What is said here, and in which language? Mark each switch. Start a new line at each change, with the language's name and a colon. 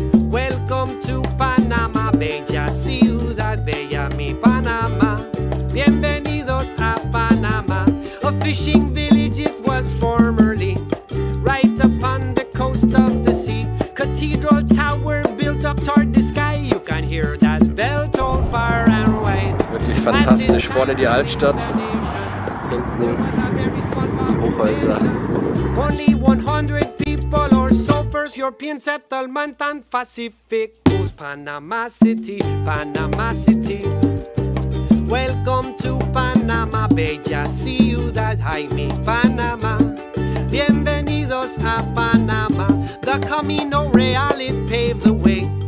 English: Welcome to Panama,
Spanish: bella ciudad, bella mi Panama. Bienvenidos a Panama.
English: A fishing village it was formerly, right upon the coast of the sea. Cathedral tower built up toward the sky. You can hear that bell toll far and wide.
German: Wirklich fantastisch, vorne die Altstadt, hinten die Hochhäuser.
English: Only 100 people or so, first European settlement and Pacific coast. Panama City, Panama City. Welcome to Panama,
Spanish: bella ciudad, ay mi Panama. Bienvenidos a Panama.
English: The Camino Real, it paved the way.